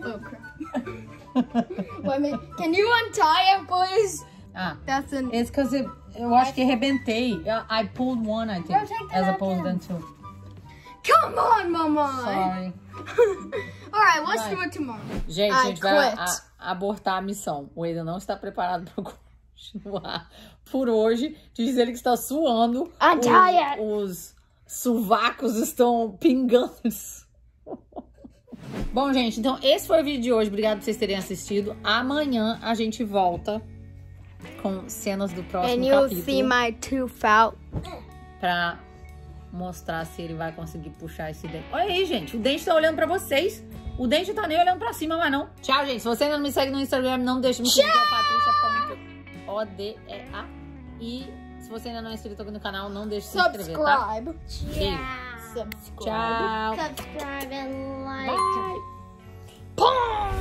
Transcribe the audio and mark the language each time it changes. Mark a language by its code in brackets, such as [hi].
[en] Oh crap. Wait a minute. Can you untie it, please? It's because it. [pt] Eu acho que arrebentei. [en] I pulled one, I think. As opposed to two. Come on, mama! Sorry. Alright, let's do it tomorrow. [pt] Gente, a gente vai abortar a missão. O Aiden não está preparado para continuar por hoje. Diz ele que está suando. Os sovacos estão pingando. Bom, gente, então esse foi o vídeo de hoje. Obrigado por vocês terem assistido. Amanhã a gente volta com cenas do próximo [en] and [pt] capítulo. [en] And you'll see my tooth out. [pt] Pra mostrar se ele vai conseguir puxar esse dente. Olha aí, gente. O dente tá olhando pra vocês. O dente tá nem olhando pra cima, mas não. Tchau, gente. Se você ainda não me segue no Instagram, não deixe me seguir. Tchau! Patrícia Ponto ODEA. E se você ainda não é inscrito aqui no canal, não deixe de se inscrever, tá? [en] Subscribe. Yeah. Subscribe. [pt] Tchau. [en] Subscribe and like. Bye. Pum!